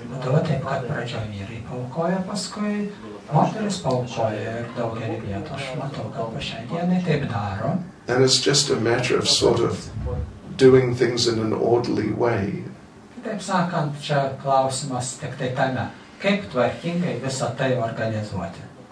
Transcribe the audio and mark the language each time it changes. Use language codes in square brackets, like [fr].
[lt] Būdavo taip, kad pradžia vyrai paukoja, paskui moteris paukoja ir daugelį vietų. Aš matau, kad po šiai dienai taip daro. [en] And it's just a matter of sort of doing things in an orderly way. [lt] Taip sakant, čia klausimas tik tai tame, kaip tvarkingai visą tai organizuoti.